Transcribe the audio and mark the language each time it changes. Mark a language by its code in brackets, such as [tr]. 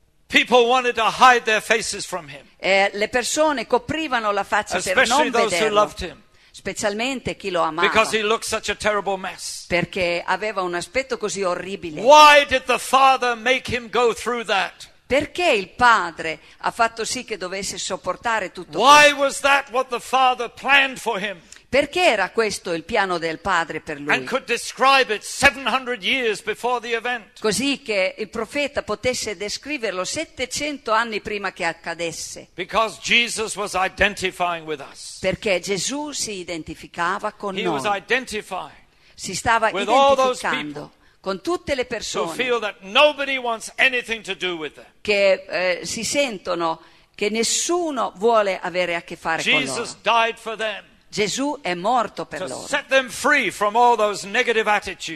[en] People wanted to hide their faces from him. [it] Le persone coprivano la faccia per non vederlo. [en] Those who loved him. [it] Specialmente chi lo amava. [en] Because he looked such a terrible mess. [it] Perché aveva un aspetto così orribile. [en] Why did the Father make him go through that? [it] Perché il Padre ha fatto sì che dovesse sopportare tutto questo? [en] Why was that what the Father planned for him? [it] Perché era questo il piano del Padre per lui? [en] And could describe it 700 years before the event. [it] Così che il profeta potesse descriverlo 700 anni prima che accadesse. [en] Because Jesus was identifying with us. [it] Perché Gesù si identificava con [en] he [it] noi. [en] Was identifying [it] si stava [en] with [it] identificando con tutte le persone [en] to feel that nobody wants anything to do with them. [it] Che si sentono che nessuno vuole avere a che fare [en] Jesus [it] con loro. [en] Died for them. [it] Gesù è morto per loro. [en] Set them free from all those negative attitudes.